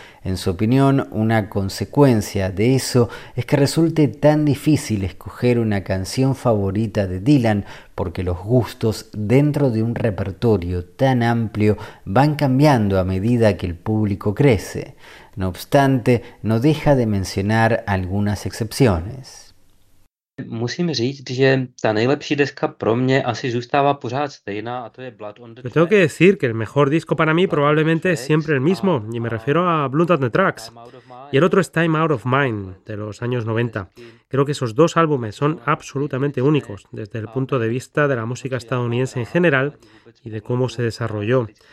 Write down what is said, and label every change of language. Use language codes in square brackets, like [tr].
[es] En su opinión, una consecuencia de eso es que resulte tan difícil escoger una canción favorita de Dylan, porque los gustos dentro de un repertorio tan amplio van cambiando a medida que el público crece. No obstante, no deja de mencionar algunas excepciones. [cs] Musím říct, že ta nejlepší deska pro mě asi zůstává pořád stejná, a to je Blood on the Tracks. [es] Tengo que decir que el mejor disco para mí probablemente es siempre el mismo, y me refiero a Blood on the Tracks. Y el otro es Time Out of Mind, de los años 90. Creo que esos dos álbumes son absolutamente únicos, desde el punto de vista de la música estadounidense en general y de cómo se desarrolló.